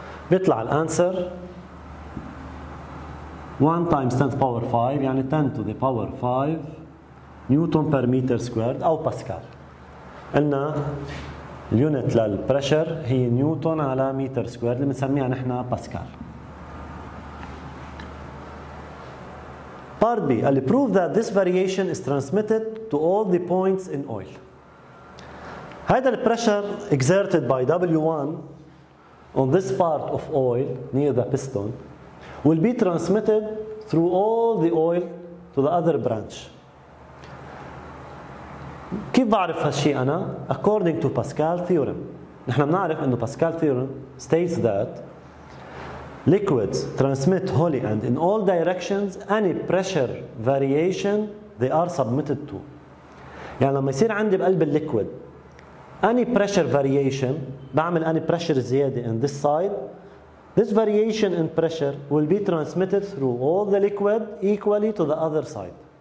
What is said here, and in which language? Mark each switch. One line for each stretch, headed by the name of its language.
Arabic: بيطلع الانسر
English: 1 times 10 to the power 5
Arabic: يعني
English: 10 to the power 5 newton per meter squared
Arabic: او باسكال. قلنا اليونت للبريشر هي نيوتن على متر سكوير اللي بنسميها نحن باسكال.
English: Part B, I'll prove that this variation is transmitted to all the points in oil.
Arabic: هذا ال
English: pressure exerted by W1 on this part of oil near the piston will be transmitted through all the oil to the other branch.
Arabic: كيف بعرف هالشيء أنا؟
English: According to Pascal theorem.
Arabic: نحن بنعرف إنه
English: Pascal theorem states that liquids transmit wholly and in all directions any pressure variation they are submitted to.
Arabic: يعني لما يصير عندي بقلب الليكويد
English: any pressure variation بعمل any pressure زيادة in this side this variation in pressure will be transmitted through all the liquid equally to the other side.